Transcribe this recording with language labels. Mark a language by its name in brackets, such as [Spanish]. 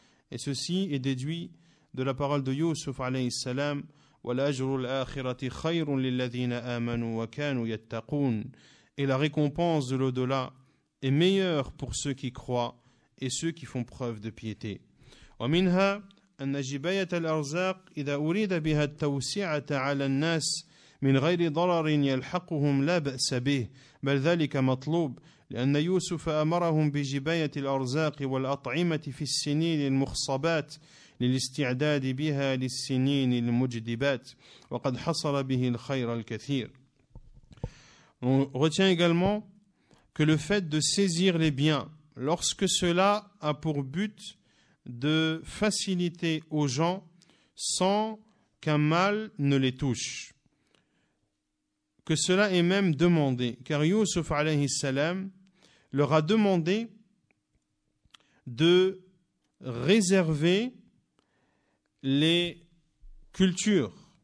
[French] Et ceci est déduit de la parole de Yusuf alayhi salam: [Arabic] وَلَأَجْرُ الْآخِرَةِ خَيْرٌ لِلَّذِينَ آمَنُوا وَكَانُوا يَتَّقُونَ. [French] Et la récompense de l'au-delà est meilleure pour ceux qui croient et ceux qui font preuve de piété. [Arabic] وَمِنْهَا أَنَّ جِبَيَةَ الْأَرْزَاقِ إِذَا أُرِيدَ بِهَا التَّوْسِعَةَ عَلَى النَّاسِ مِنْ غَيْرِ ضَرَرٍ يَلْحَقُهُمْ لَا بَأْسَ بِهِ بَلْ ذَلِكَ مَطْلُوبٌ لأن يوسف أمرهم بجباية الأرزاق والأطعمة في السنين المخصبات للاستعداد بها للسنين المجدبات وقد حصل به الخير الكثير. [French] On retient également que le fait de saisir les biens lorsque cela a pour but de faciliter aux gens sans qu'un mal ne les touche, que cela est même demandé, car Yusuf alayhi salam leur a demandé de réserver les cultures